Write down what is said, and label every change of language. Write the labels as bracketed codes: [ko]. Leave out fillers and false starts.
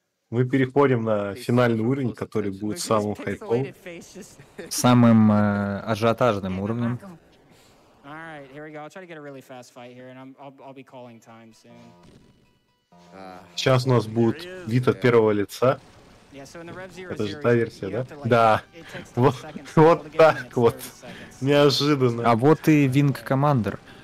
[ru] Мы переходим на финальный уровень, который будет самым хайповым. Самым ажиотажным уровнем. [en] Alright, here we go. I'll try to get a really fast fight here, and I'll be calling time soon. [ru] Сейчас у нас будет вид от первого лица. Это же та версия, да? Да. Вот так вот. Неожиданно. А вот и Wing Commander.